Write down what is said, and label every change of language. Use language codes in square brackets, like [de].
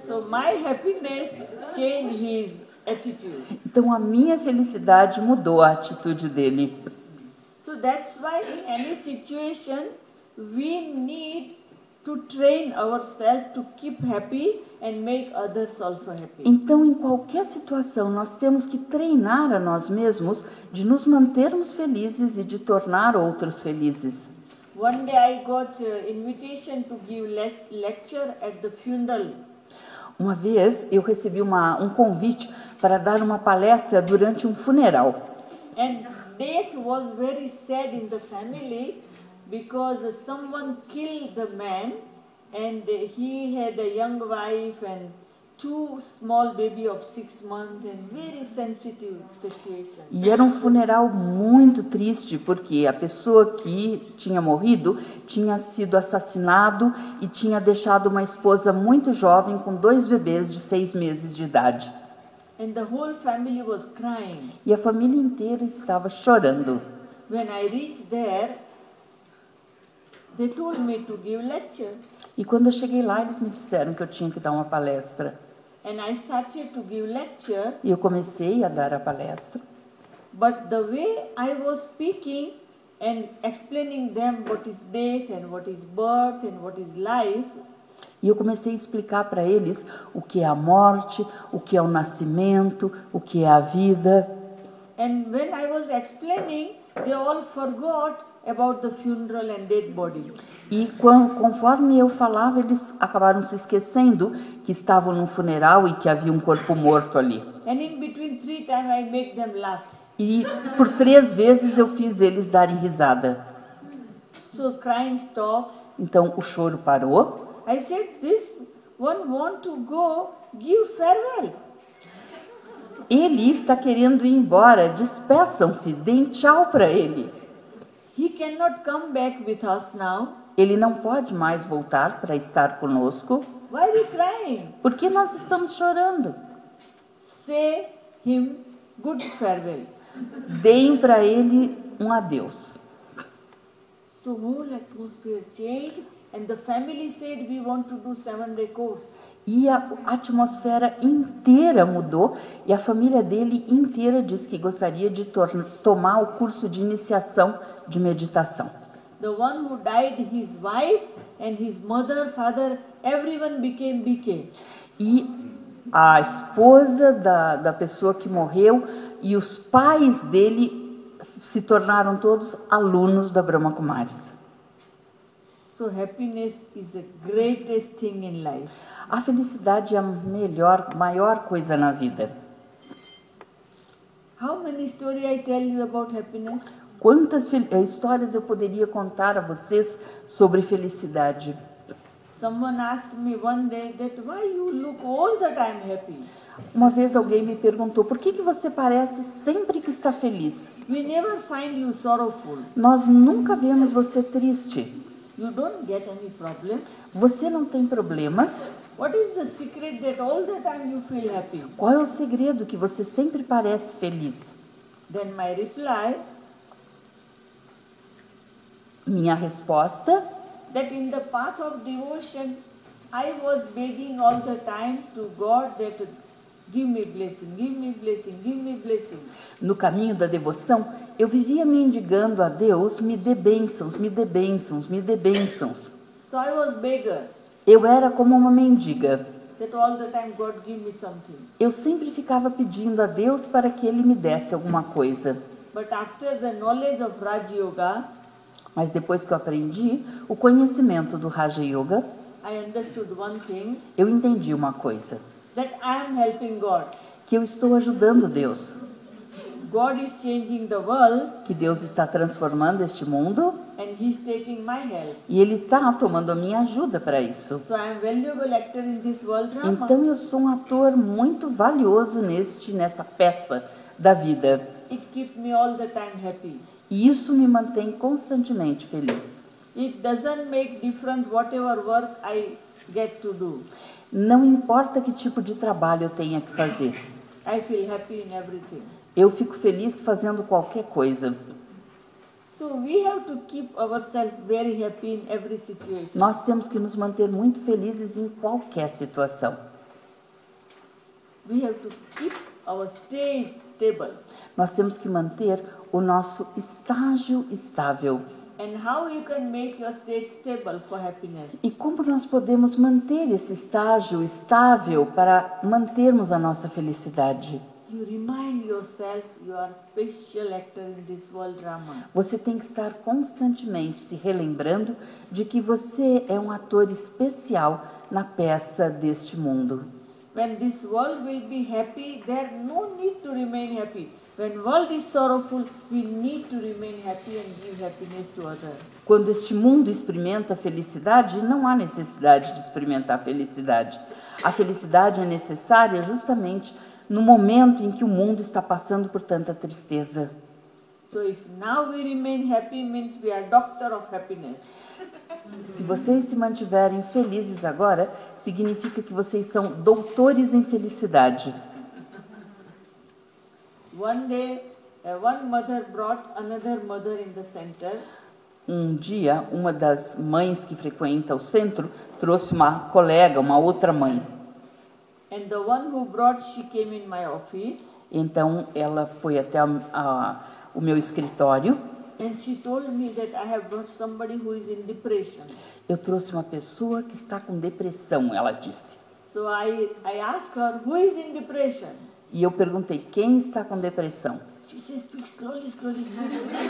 [en] My happiness changed his attitude. [pt] Então a minha felicidade mudou a atitude dele. [en] So that's why in any situation we need to train ourselves to keep happy and make others also happy. [pt] Então em qualquer situação nós temos que treinar a nós mesmos de nos mantermos felizes e de tornar outros felizes. [en] One day I got an invitation to give lecture at the funeral. [pt] Uma vez eu recebi um convite para dar uma palestra durante um funeral. [en] And death was very sad in the family because someone killed the man and he had a young wife and two small baby of 6 months and very sensitive situation. [pt] E era um funeral muito triste porque a pessoa que tinha morrido tinha sido assassinado e tinha deixado uma esposa muito jovem com 2 bebês de 6 meses de idade. [en] And the whole family was crying. [pt] E a família inteira estava chorando. [en] When I reached there, they told me to give lecture. [pt] E quando eu cheguei lá, eles me disseram que eu tinha que dar uma palestra. [en] And I started to give lecture. [pt] E eu comecei a dar a palestra. [en] But the way I was speaking and explaining them what is death and what is birth and what is life. [pt] E eu comecei a explicar para eles o que é a morte, o que é o nascimento, o que é a vida. [en] And when I was explaining, they all forgot about the funeral and dead body. [pt] E conforme eu falava, eles acabaram se esquecendo que estavam num funeral e que havia um corpo morto ali. [en] And in between 3 times I make them laugh. [pt] E por 3 vezes eu fiz eles darem risada. [en] So crying stopped. [pt] Então o choro parou. [en] I said, this one want to go, give farewell. [pt] Ele está querendo ir embora, despeçam-se, deem tchau para ele. [en] He cannot come back with us now. [pt] Ele não pode mais voltar para estar conosco. [en] Why are you crying? [pt] Por que nós estamos chorando? [en] Say him good farewell. [pt] Deem para ele um adeus. [en] So whole atmosphere changed and the family said we want to do 7-day course. [pt] E a atmosfera inteira mudou e a família dele inteira disse que gostaria de tomar o curso de iniciação de meditação. [en] The one who died, his wife and his mother, father, everyone became BK. [pt] E a esposa da pessoa que morreu e os pais dele se tornaram todos alunos da Brahma Kumaris. [en] So happiness is the greatest thing in life. [pt] A felicidade é a maior coisa na vida. [en] How many stories I tell you about happiness? [pt] Quantas histórias eu poderia contar a vocês sobre felicidade? [en] Someone asked me one day that why you look all the time happy? [pt] Uma vez alguém me perguntou por que você parece sempre que está feliz? [en] We never find you sorrowful. [pt] Nós nunca vemos você triste. [en] You don't get any problem. [pt] Você não tem problemas? [en] What is the secret that all the time you feel happy? [pt] Qual é o segredo que você sempre parece feliz? [en] Then my reply. [pt] Minha resposta. [en] That in the path of devotion, I was begging all the time to God that give me blessing, give me blessing, give me blessing. [pt] No caminho da devoção, eu vivia mendigando a Deus, me dê bênçãos, me dê bênçãos, me dê bênçãos. [en] So I was beggar. [pt] Eu era como uma mendiga. [en] That all the time God give me something. [pt] Eu sempre ficava pedindo a Deus para que Ele me desse alguma coisa. [en] But after the knowledge of Raj Yoga. [pt] Mas depois que eu aprendi o conhecimento do Raja Yoga, [en] I understood one thing, [pt] eu entendi uma coisa. [en] That I am helping God. [pt] Que eu estou ajudando Deus. [en] God is changing the world, [pt] que Deus está transformando este mundo. [en] And he is taking my help. [pt] E Ele está tomando a minha ajuda para isso. [en] So I am valuable actor in this world drama. [pt] Então eu sou um ator muito valioso nessa peça da vida. [en] It keeps me all the time happy. [pt] E isso me mantém constantemente feliz. [en] It doesn't make difference whatever work I get to do. [pt] Não importa que tipo de trabalho eu tenha que fazer. [en] I feel happy in everything. [pt] Eu fico feliz fazendo qualquer coisa. [en] So we have to keep ourselves very happy in every situation. [pt] Nós temos que nos manter muito felizes em qualquer situação. [en] We have to keep our stage stable. [pt] Nós temos que manter o nosso estágio estável. [en] And how you can make your stage stable for happiness? [pt] E como nós podemos manter esse estágio estável para mantermos a nossa felicidade? [en] You remind yourself you are a special actor in this world drama. [pt] Você tem que estar constantemente se relembrando de que você é um ator especial na peça deste mundo. [en] When this world will be happy, there no need to remain happy. When world is sorrowful, we need to remain happy and give happiness to others. [pt] Quando este mundo experimenta felicidade, não há necessidade de experimentar felicidade. A felicidade é necessária justamente no momento em que o mundo está passando por tanta tristeza. [en] So if now we remain happy, means we are doctor of happiness. [pt] Se vocês se mantiverem felizes agora, significa que vocês são doutores em felicidade. [en] One day, one mother brought another mother in the center. [pt] Um dia, uma das mães que frequenta o centro trouxe uma colega, uma outra mãe. [en] And the one who brought, she came in my office. [pt] Então, ela foi até o meu escritório. [en] And she told me that I have brought somebody who is in depression. [pt] Eu trouxe uma pessoa que está com depressão, ela disse. [en] So I asked her, who is in depression? [pt] E eu perguntei, quem está com depressão? [en] She said, speak slowly, slowly, slowly.